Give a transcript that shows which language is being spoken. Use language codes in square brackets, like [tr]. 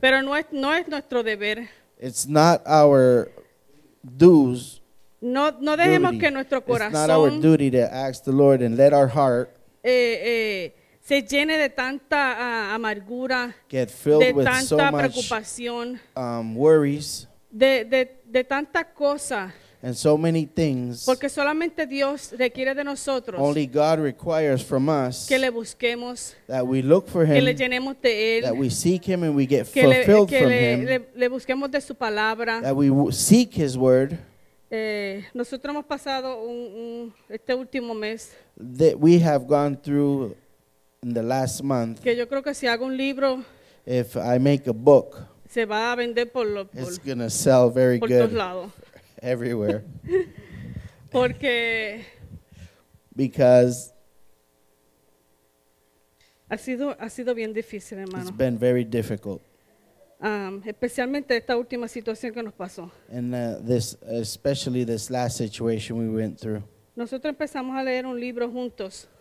[es] Pero no es nuestro deber. [en] It's not our dues. [es] No dejemos [en] duty. [es] Que nuestro corazón. [en] It's not our duty to ask the Lord and let our heart. [es] Se llene de tanta amargura. [en] Get filled with so much. [es] De tanta preocupación. [en] Worries. [es] De tanta cosa. [en] And so many things. [es] Porque solamente Dios requiere de nosotros. [en] Only God requires from us. [es] Que le busquemos. [en] That we look for him. [es] Que le llenemos de él. [en] That we seek him and we get fulfilled from him. [es] Que le busquemos de su palabra. [en] That we seek his word. [es] Nosotros hemos pasado un este último mes. [en] That we have gone through in the last month. [es] Que yo creo que si hago un libro. [en] If I make a book. [es] Se va a vender por los. [en] It's gonna sell very [es] por [en] good. [es] Por todos lados. [en] Everywhere. [es] Porque [en] because [es] ha sido bien difícil, hermano. [en] It's been very difficult. [es] Especialmente esta última situación que nos pasó. [en] And especially this last situation we went through. [es] Nosotros empezamos a leer un libro juntos.